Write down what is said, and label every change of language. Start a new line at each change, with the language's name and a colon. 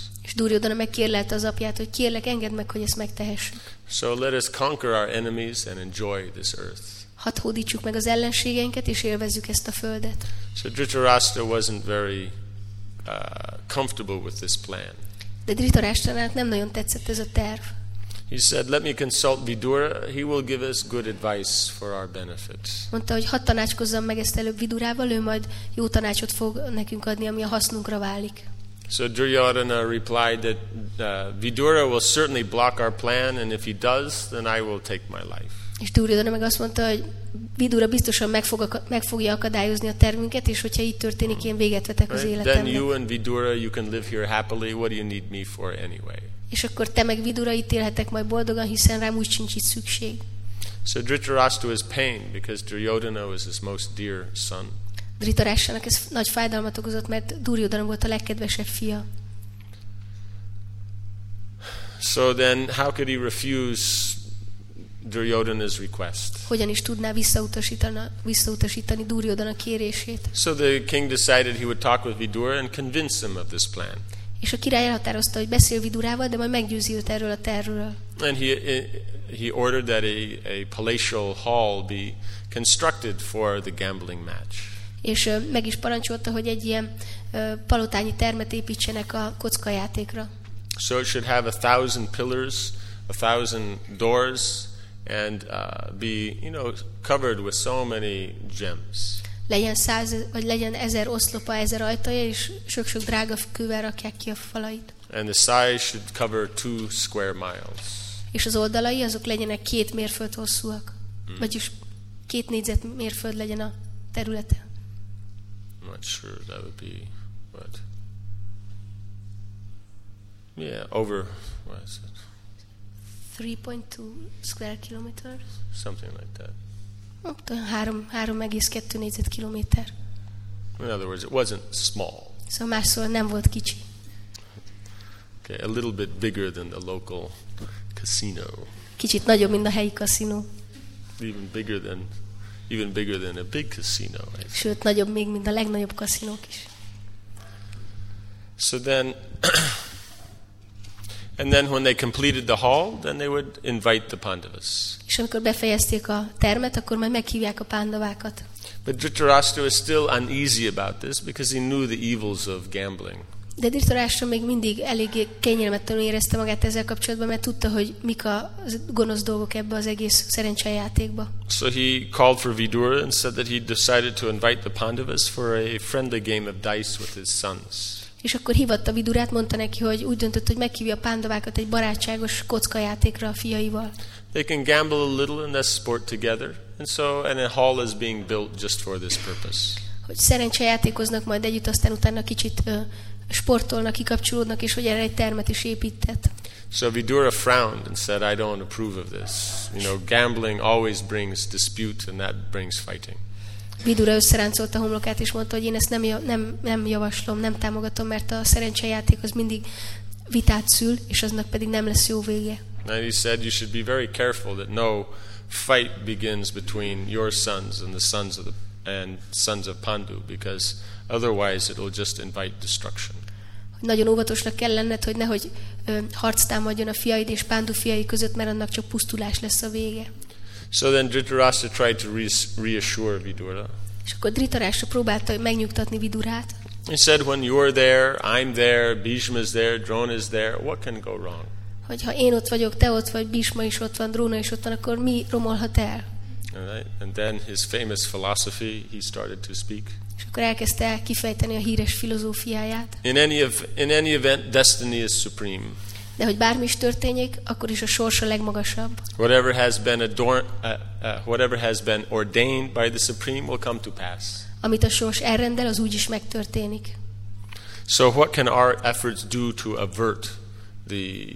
Hungarian: És Duryodhana megkérlelte az apját, hogy kérlek, engedd meg, hogy ezt megtehessük.
English: So let us conquer our enemies and enjoy this earth.
Hungarian: Hadd hódítsuk meg az ellenségeinket és élvezzük ezt a földet.
English: So Dhritarashtra wasn't very comfortable with this plan.
Hungarian: De Dhritarashtrának nem nagyon tetszett ez a terv.
English: He said, "Let me consult Vidura. He will give us good advice for our benefit."
Hungarian: Mondta, hogy hadd tanácskozzam meg ezt előbb Vidurával, ő majd jó tanácsot fog nekünk adni, ami a hasznunkra válik.
English: So Duryodhana replied that Vidura will certainly block our plan, and if he does, then I will take my life.
Hungarian: És Duryodhana meg azt mondta, hogy Vidura biztosan meg fogja akadályozni a tervünket, és hogyha így történik, én véget vetek az életemnek.
English: Then you and Vidura, you can live here happily. What do you need me for anyway?
Hungarian: És akkor te meg Vidura itt élhetek majd boldogan, hiszen rám úgy sincs itt szükség.
English: So Dhritarashtra was pained because Duryodhana was his most dear son.
Hungarian: Dhritarashtrának ez nagy fájdalmat okozott, mert Duryodhana volt a legkedvesebb fia.
English: So then how could he refuse Duryodhana's request?
Hungarian: Hogyan is tudná visszautasítani Duryodhana kérését?
English: So the king decided he would talk with Vidura and convince him of this plan.
Hungarian: És a király elhatározta, hogy beszél Vidurával, de majd meggyőzi őt erről a tervről.
English: And he ordered that a palatial hall be constructed for the gambling match.
Hungarian: És meg is parancsolta, hogy egy ilyen palotányi termet építsenek a kockajátékra.
English: So it should have 1,000 pillars, 1,000 doors, and be, you know, covered with so many gems.
Hungarian: Legyen 100 vagy legyen 1,000 oszlopa, 1,000 ajtaja, és sok-sok drága kővel rakják ki a falait.
English: And the size should cover 2 square miles.
Hungarian: És az oldalai azok legyenek 2 mérföld hosszúak. Mm. Vagyis 2 négyzet mérföld legyen a területe.
English: I'm not sure that would be what. Yeah, over what is it? 3.2 square kilometers. Something like that.
Hungarian: 3,2 négyzetkilométer.
English: In other words, it wasn't small.
Hungarian: So más szóval nem volt kicsi.
English: Okay, a little bit bigger than the local casino.
Hungarian: Kicsit nagyobb, mint a helyi kaszinó.
English: Even bigger than a big casino.
Hungarian: Sőt, nagyobb még, mint a legnagyobb kaszinók is.
English: So then, and then when they completed the hall, then they would invite the Pandavas.
Hungarian: És amikor befejezték a termet, akkor majd meghívják a pándavákat.
English: But Dhritarashtra was still uneasy about this because he knew the evils of gambling.
Hungarian: De Dhritarashtra még mindig eléggé kényelmetlenül érezte magát ezzel kapcsolatban, mert tudta, hogy mik a gonosz dolgok ebbe az egész szerencsejátékba.
English: So he called for Vidura and said that he decided to invite the Pandavas for a friendly game of dice with his sons.
Hungarian: És akkor hívatta Vidurát, mondta neki, hogy úgy döntött, hogy meghívja a pándavákat egy barátságos kockajátékra a fiaival.
English: They can gamble a little in this sport together, and so and a hall is being built just for this purpose.
Hungarian: Hogy szerencsejátékoznak majd együtt, aztán utána kicsit sportolnak, kikapcsolódnak, és hogy erre egy termet is épített.
English: So Vidura frowned and said, "I don't approve of this. You know, gambling always brings dispute, and that brings fighting."
Hungarian: Vidura összeráncolta a homlokát, és mondta, hogy én ezt nem javaslom, nem támogatom, mert a szerencsejáték az mindig vitát szül, és aznak pedig nem lesz jó vége.
English: And he said you should be very careful that no fight begins between your sons and the sons of Pandu, because otherwise it will just invite destruction.
Hungarian: Nagyon óvatosnak kell lenned, hogy nehogy harc támadjon a fiaid és Pandu fiai között, mert annak csak pusztulás lesz a vége.
English: So then Dhritarashtra tried to reassure Vidura.
Hungarian: És akkor Dhritarashtra próbálta megnyugtatni Vidurát.
English: He said, "When you're there, I'm there, Bhishma is there, Drona is there. What can go wrong?"
Hungarian: Hogy ha én ott vagyok, te ott vagy, Bhishma is ott van, Drona is ott van, akkor mi romolhat el?
English: Right. And then his famous philosophy, he started to speak.
Hungarian: És akkor elkezdte kifejteni a híres filozófiáját.
English: In any event, destiny is supreme.
Hungarian: De hogy bármi is történik, akkor is a sors a legmagasabb.
English: Whatever has been ordained by the supreme will come to pass.
Hungarian: Amit a sors elrendel, az úgy is megtörténik.
English: So what can our efforts do to avert the